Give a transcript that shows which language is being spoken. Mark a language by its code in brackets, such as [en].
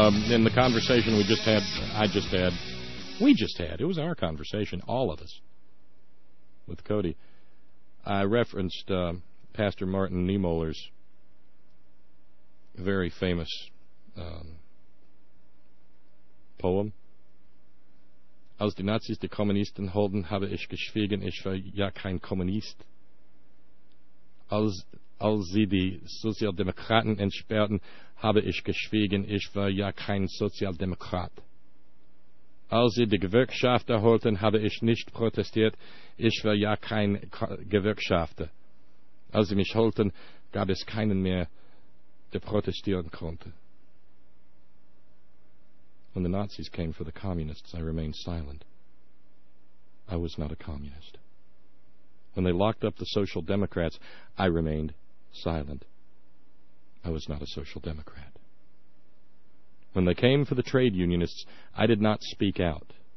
[en] In the conversation we just had, it was our conversation, all of us, with Cody, I referenced Pastor Martin Niemöller's very famous poem. [de] Als die Nazis die Kommunisten holden, habe ich geschwiegen, ich war ja kein Kommunist. Als sie die Sozialdemokraten entsperrten, habe ich geschwiegen, ich war ja kein Sozialdemokrat. Als sie die Gewerkschafter holten, habe ich nicht protestiert, ich war ja kein Gewerkschafter. Als sie mich holten, gab es keinen mehr, der protestieren konnte. [en] When the Nazis came for the communists, I remained silent. I was not a communist. When they locked up the Social Democrats, I remained silent. I was not a Social Democrat. When they came for the trade unionists, I did not speak out.